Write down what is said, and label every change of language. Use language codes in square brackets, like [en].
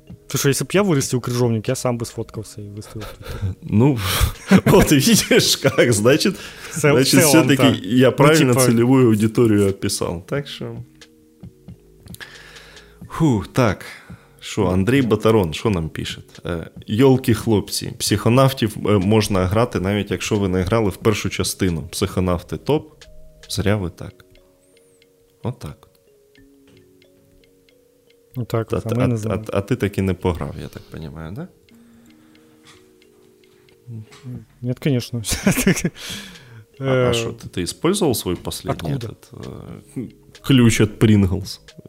[ru] Слушай, если бы я вырастил крыжовник, я сам бы сфоткался и выставил. Ну, вот видишь, как, значит, все-таки я правильно целевую аудиторию описал. Так что... Фух, так, что, Андрей Батарон, что нам пишет? [uk] Ёлки хлопці, психонавтів можна грати, навіть якщо ви не грали в першу частину. Психонавти топ, зря ви так. От так. Так, [ru] а ты так и не пограв, я так понимаю, да? Нет, конечно. А что, ты использовал свой последний этот ключ от Pringles?